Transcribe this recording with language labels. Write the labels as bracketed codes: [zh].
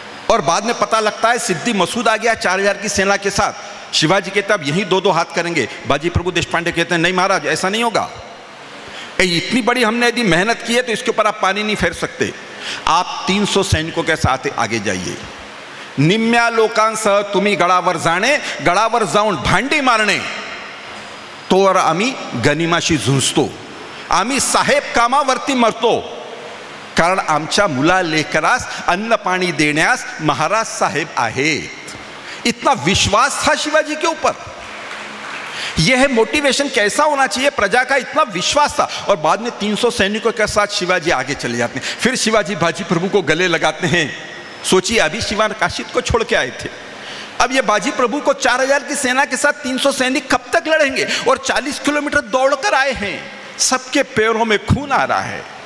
[hi] और बाद में पता लगता है सिद्धि मसूद आ गया 4000 की सेना के साथ, शिवाजी कहते अब यही दो दो हाथ करेंगे। बाजी प्रभु देशपांडे कहते हैं नहीं महाराज ऐसा नहीं होगा, इतनी बड़ी हमने यदि मेहनत की है तो इसके ऊपर आप पानी नहीं फेर सकते, आप 300 सैनिकों के साथ आगे जाइए। [mr] निम्या लोकांसह तुम्हें गड़ावर जाने, गड़ावर जाऊन भांडी मारने तो और आम्ही गनिमाशी झुंजतो, आम्ही साहेब कामावरती मरतो, कारण आमच्या मुला लेकर अन्न पाणी देण्यास महाराज साहेब आहेत। [hi] इतना विश्वास था शिवाजी के ऊपर, यह है मोटिवेशन कैसा होना चाहिए, प्रजा का इतना विश्वास था। और बाद में 300 सैनिकों के साथ शिवाजी आगे चले जाते हैं, फिर शिवाजी बाजी प्रभु को गले लगाते हैं। सोचिए अभी शिवा काशिद को छोड़ के आए थे, अब ये बाजी प्रभु को 4000 की सेना के साथ 300 सैनिक कब तक लड़ेंगे, और 40 किलोमीटर दौड़कर आए हैं, सबके पैरों में खून आ रहा है।